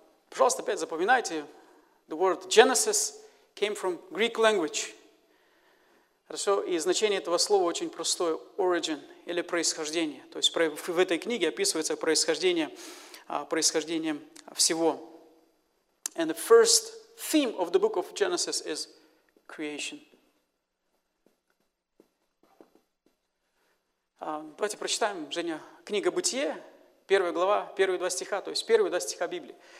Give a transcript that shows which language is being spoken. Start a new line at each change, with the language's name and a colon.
Russian: Пожалуйста, опять запоминайте.
English: The word Genesis came from Greek language.
Russian: Хорошо? И значение этого слова очень простое – origin или происхождение. То есть в этой книге описывается происхождение, происхождение всего.
English: And the first theme of the book of Genesis is creation.
Russian: Давайте прочитаем, Женя, книга Бытие, первая глава, первые два стиха, то есть первые два стиха Библии.